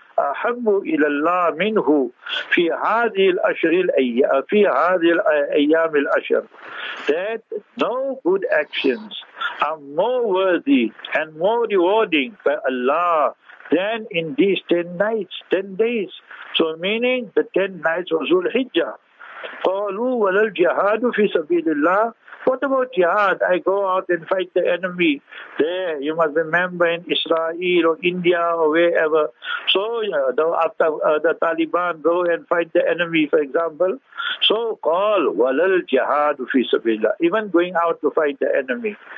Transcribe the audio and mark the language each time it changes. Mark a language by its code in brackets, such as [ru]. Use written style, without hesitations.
[ar] أحب إلى الله منه في هذه الأشهر في هذه الأيام الأشهر. [en] That no good actions are more worthy and more rewarding for Allah than in these 10 nights, 10 days. So meaning the 10 nights of Zulhijjah. [ar] قالوا ولا الجهاد في سبيل الله. [en] What about jihad? I go out and fight the enemy. There, you must remember in Israel or India or wherever. So, after the Taliban go and fight the enemy, for example. So, call [ar] walal jihad fi sabilillah. [en] Even going out to fight the enemy.